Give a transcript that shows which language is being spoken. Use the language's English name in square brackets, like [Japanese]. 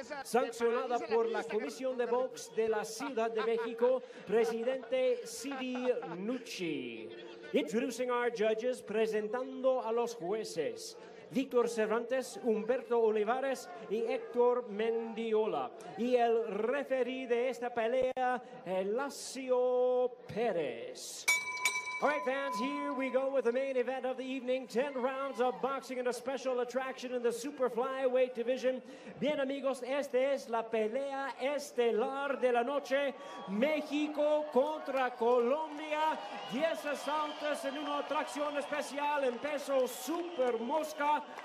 [Spanish] Sancionada por la Comisión de Box de la Ciudad de México, presidente Sidi Nucci. [English] Introducing our judges, [Spanish] presentando a los jueces. Víctor Cervantes, Humberto Olivares y Héctor Mendiola. Y el referí de esta pelea, Elacio Pérez. [English] All right, fans, here we go with the main event of the evening. 10 rounds of boxing and a special attraction in the super flyweight division. [Spanish] Bien, amigos, esta es la pelea estelar de la noche. México contra Colombia. 10 asaltos en una atracción especial en peso super mosca.